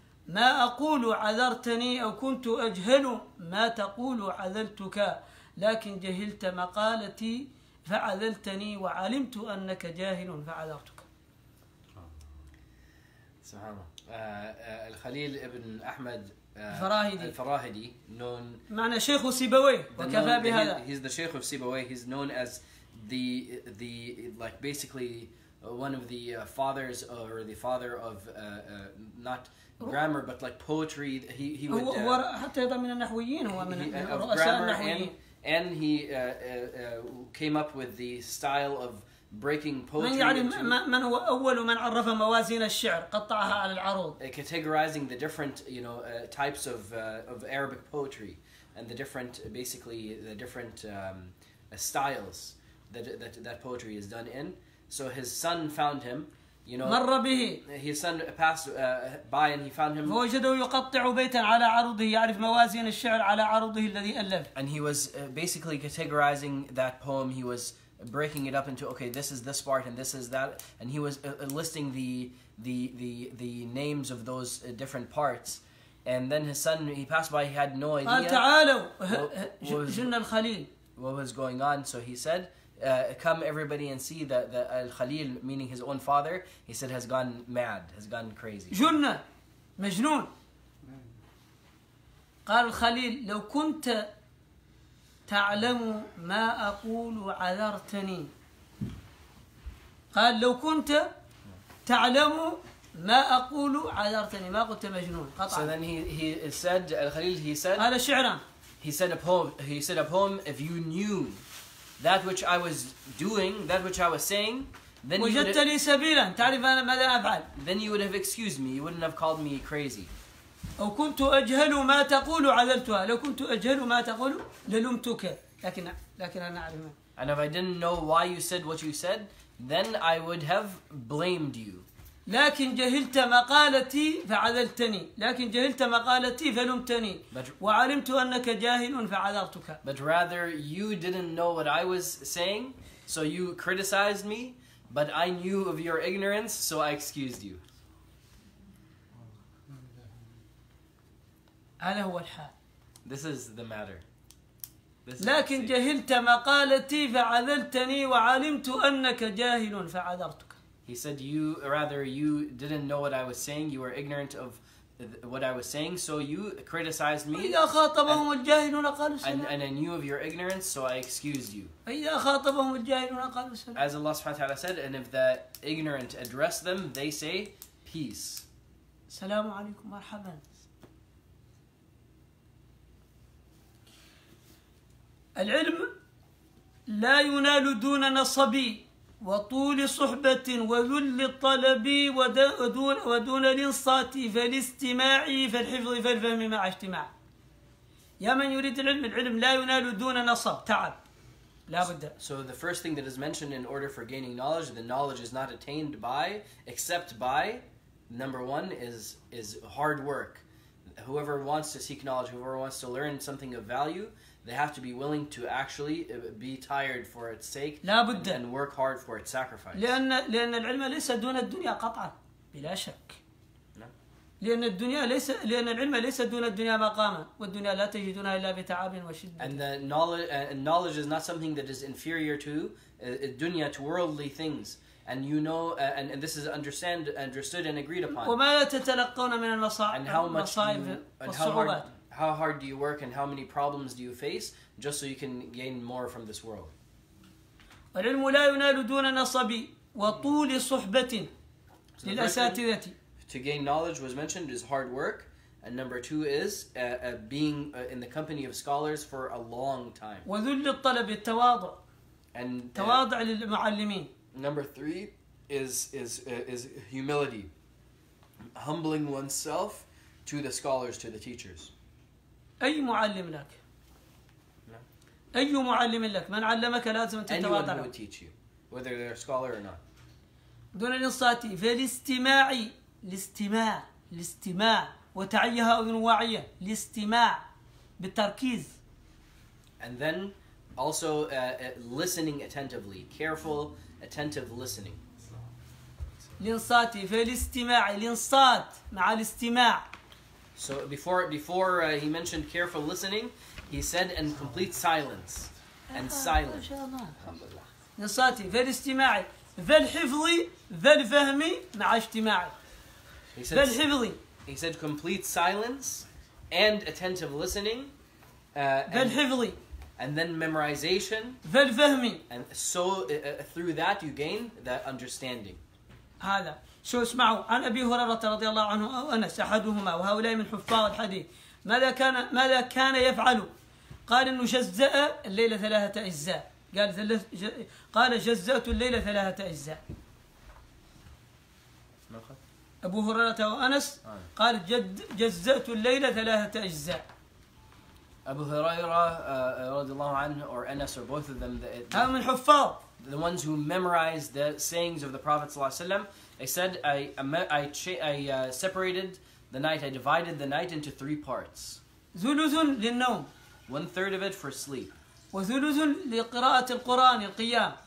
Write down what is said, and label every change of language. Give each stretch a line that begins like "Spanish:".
Arabic: ما أقول عذرتني أو كنت أجهل ما تقول عذلتك لكن جهلت مقالتي فعذلتني وعلمت أنك جاهل فعذرتك. سبحان الله. الخليل ابن أحمد الفراهدي. الفراهدي known معنى شيخ سيبوي وكفى بهذا.
English: He's the Sheikh of Sibawayh. He's known as the like basically one of the fathers or the father of not grammar but like poetry. He would
Arabic: هو حتى أيضا من النحويين هو من رؤساء النحويين.
English: And he came up with the style of breaking poetry into categorizing the different, you know, types of Arabic poetry and the different, basically, the different styles that poetry is done in. So his son found him, you know. His son passed by and he found him. And he was basically categorizing that poem. He was breaking it up into, okay, this is this part and this is that, and he was listing the names of those different parts. And then his son, he passed by, he had no idea what was going on. So he said, come everybody and see that the Al-Khalil, meaning his own father, he said, has gone mad, has gone crazy.
Arabic: Junna, majnun. قال الخليل لو كنت تعلم ما أقول عذرتني. قال لو كنت تعلم ما أقول عذرتني. ما قلت مجنون. قطع.
English: So then he said, Al-Khalil, he said.
Arabic: هذا شعرا.
English: He said a poem. If you knew that which I was doing, that which I was saying, then
Arabic: وجدت لي سبيلا. تعرف أنا ماذا أفعل.
English: Then you would have excused me. You wouldn't have called me crazy.
Arabic: أو كنت أجهل ما تقول عذلتها. لو كنت أجهل ما تقول للمتك. لكن أنا أعلم.
English: And if I didn't know why you said what you said, then I would have blamed you.
Arabic: لكن جهلت مقالتي فعذلتني. لكن جهلت مقالتي فلمتني. وعلمت أنك جاهل فعذرتك.
English: But rather you didn't know what I was saying, so you criticized me. But I knew of your ignorance, so I excused you.
Arabic: هذا هو الحال.
English: This is the matter.
Arabic: لكن جهلت مقالتي فعذلتني وعلمت أنك جاهل فعذرتك.
English: He said, you didn't know what I was saying. You were ignorant of what I was saying, so you criticized me.
Arabic: إذا خاطبهم الجاهلون قالوا سلام.
English: And I knew of your ignorance, so I excused you.
Arabic: إذا خاطبهم الجاهلون قالوا سلام.
English: As Allah
Arabic: سبحانه وتعالى
English: said, and if the ignorant address them, they say, peace.
Arabic: سلام عليكم مرحبا. العلم لا ينال دون نصب وطول صحبة وذل الطلب ودون الانصات فالاستماع فالحفظ فالفهم مع اجتماع. يا من يريد العلم, العلم لا ينال دون نصب, تعب لا بد.
English: So the first thing that is mentioned in order for gaining knowledge, the knowledge is not attained by except by number one is hard work. Whoever wants to seek knowledge, whoever wants to learn something of value, they have to be willing to actually be tired for its sake and work hard for its sacrifice.
Arabic: لأن العلم ليس دون الدنيا قطعا بلا شك. لأن العلم ليس دون الدنيا مقاما والدنيا لا تجدونها إلا بتعب وشدة.
English: And the knowledge is not something that is inferior to dunya, to worldly things. And you know, and this is understood and agreed upon.
Arabic: وما تتلقون من المصائب والصعوبات.
English: How hard do you work and how many problems do you face just so you can gain more from this world?
Arabic: العلم لا ينال دون نصب وطول صحبة للأساتذة.
English: To gain knowledge was mentioned is hard work, and number two is being in the company of scholars for a long time.
Arabic: وذل الطلب التواضع.
English: And
Arabic: تواضع للمعلمين.
English: Number three is humility, humbling oneself to the scholars, to the teachers.
Arabic: أي معلم لك؟ أي معلم لك؟ من علمك لازم تتواضع.
English: Anyone who would teach you, whether they're a scholar or not.
Arabic: دون الانصات في الاستماع, الاستماع, الاستماع وتعيها أذن واعية, الاستماع بالتركيز.
English: And then also listening attentively, careful, attentive listening.
Arabic: الانصات في الاستماع, الانصات مع الاستماع.
English: So before he mentioned careful listening, he said and complete silence. And silence.
Arabic: نصاتي ذا الاستماعي ذا الحفظي ذا الفهمي مع اجتماعي ذا الحفظي.
English: He said complete silence and attentive listening.
Arabic: ذا الحفظي.
English: And then memorization.
Arabic: ذا الفهمي.
English: And so through that you gain that understanding.
Arabic: هذا. شو اسمعوا عن أبي هريرة رضي الله عنه أو أنس أحدهما وهؤلاء من حفاظ الحديث ماذا كان يفعل؟ قال إنه جزأ الليلة ثلاثة أجزاء. قال جزأت الليلة ثلاثة أجزاء. أبو هريرة وأنس قال جزأت الليلة ثلاثة أجزاء.
English: أبو هريرة
Arabic: رضي الله عنه
English: or أنس or both of them
Arabic: هم من حفاظ.
English: The ones who memorized the sayings of the Prophet
Arabic: صلى الله عليه وسلم.
English: I said, I divided the night into three parts.
Arabic: ثلثٌ للنوم.
English: One third of it for sleep.
Arabic: وثلثٌ لقراءة القرآن القيام.